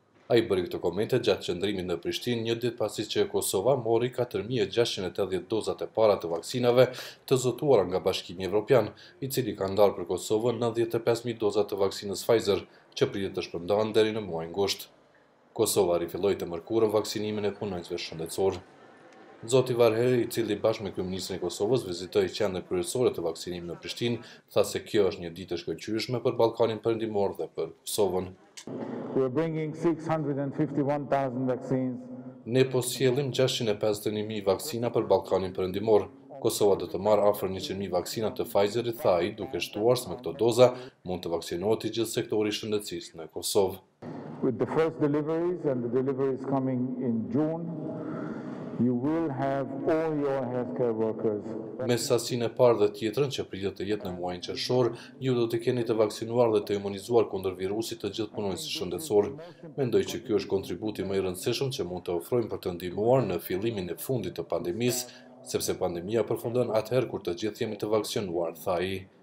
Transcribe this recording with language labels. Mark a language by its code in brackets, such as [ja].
[sq] Ai bëri këto komente gjatë qëndrimit në Prishtinë një ditë pasi që Kosova mori 4.680 dozat e para të vaksinave të zotuara nga Bashkimi Evropian, i cili ka ndarë për Kosovën 95.000 dozat të vaksinës Pfizer, që pritet të shpërndahen deri në muajin gusht. Kosova rifilloi të mërkurën vaksinimin e punonjësve shëndetësor. Zoti Varhelli, i cili bashkë me kryeministrin e Kosovës vizitoi qendrën kryesore të vaksinimit në Prishtinë, tha se kjo është një ditë e shkëlqyeshme për Ballkanin Perëndimor dhe për Kosovën. [en] We're bringing 651,000 vaccines. [sq] Ne po sjellim 651,000 vaksina për Ballkanin Perëndimor. Kosova do të marrë afër 100,000 vaksina të Pfizerit, tha ai, duke shtuar se me këto doza mund të vaksinohet i gjithë sektori i shëndetësisë në Kosovë. [en] With the first deliveries and the deliveries coming in June, you will have all your healthcare workers. [sq] Me sasinë e parë dhe tjetrën që pritet të jetë në muajin qershor, ju do të keni të vaksinuar dhe të imunizuar kundër virusit të gjithë punonjësit shëndetësor. Mendoj që ky është kontributi më i rëndësishëm që mund të ofrojmë për të ndihmuar në fillimin e fundit të pandemisë, sepse pandemia përfundon atëherë kur të gjithë jemi të vaksinuar, tha ai.